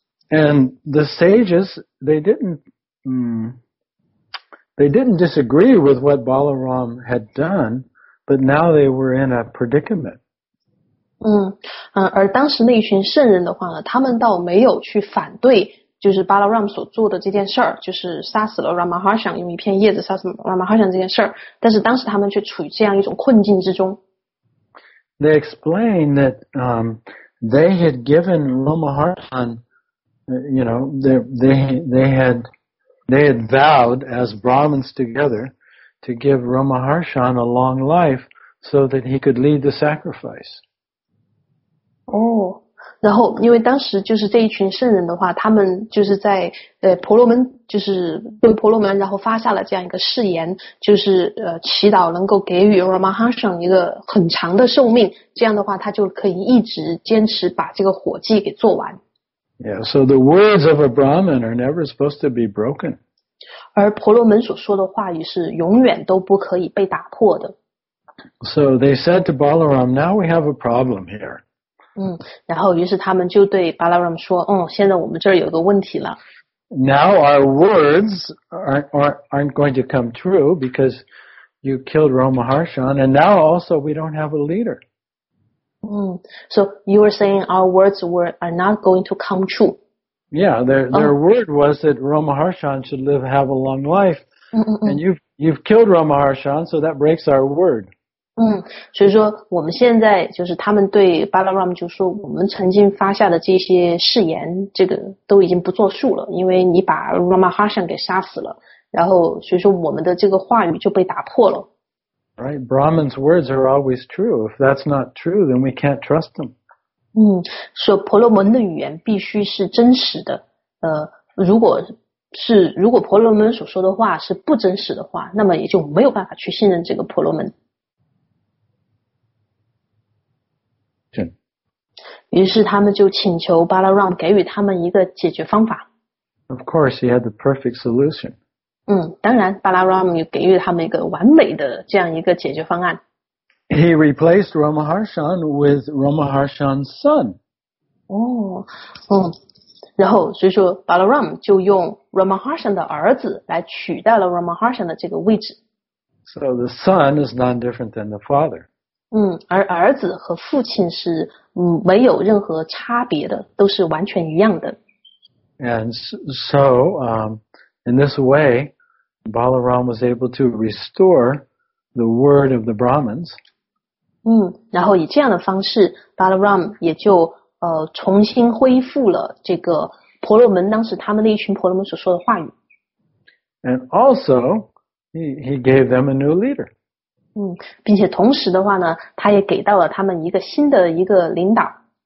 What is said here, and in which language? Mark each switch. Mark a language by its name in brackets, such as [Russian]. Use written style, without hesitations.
[English] And the sages they didn't disagree with what Balaram had done, but now they were in a predicament. [Chinese] 而当时那一群圣人的话呢，他们倒没有去反对。就是巴拉Ram所做的这件事儿，就是杀死了 Ramaharshan， 用一片叶子杀死 Ramaharshan 这件事儿。但是当时他们却处于这样一种困境之中。 [English] They explained that they had given Ramaharshan, you know, they had vowed as Brahmins together to give Ramaharshan a long life so that he could lead the sacrifice. [Chinese] 然后因为当时就是这一群圣人的话，他们就是在婆罗门，就是对婆罗门然后发下了这样一个誓言，就是祈祷能够给予 Ramaharshan 一个很长的寿命，这样的话他就可以一直坚持把这个火祭给做完。 [English] Yeah, so the words of a Brahmin are never supposed to be broken. [Chinese] 而婆罗门所说的话语是永远都不可以被打破的。 [English] So they said to Balaram, now we have a problem here. [Chinese] 然后于是他们就对巴拉Ram说，现在我们这儿有个问题了。 [English] Now our words aren't going to come true because you killed Ramaharshan, and now also we don't have a leader. So you were saying our words are not going to come true. Yeah, their word was that Ramaharshan should have a long life, and you've killed Ramaharshan, so that breaks our word. [Chinese] 所以说我们现在就是他们对巴拉Ram就说，我们曾经发下的这些誓言，这个都已经不作数了，因为你把 Ramaharshan 给杀死了，然后所以说我们的这个话语就被打破了。 [English] Right? Brahman's words are always true. If that's not true, then we can't trust them. [Chinese] 所以婆罗门的语言必须是真实的。如果婆罗门所说的话是不真实的话，那么也就没有办法去信任这个婆罗门。于是他们就请求巴拉让给予他们一个解决方法。 [English] Of course, he had the perfect solution. [Chinese] 当然巴拉让也给予他们一个完美的这样一个解决方案。 [English] He replaced Ramaharshan with Ramaharshan's son. [Chinese] 然后所以说巴拉让就用 Ramaharshan 的儿子来取代了 Ramaharshan 的这个位置。 [English] So the son is none different than the father. [Chinese] 而儿子和父亲是没有任何差别的，都是完全一样的。 [English] And so, in this way, Balaram was able to restore the word of the Brahmins. [Chinese] 然后以这样的方式 ，Balaram 也就重新恢复了这个婆罗门当时他们那一群婆罗门所说的话语。 [English] And also, he gave them a new leader. [Chinese] 并且同时的话呢，他也给到了他们一个新的一个领导。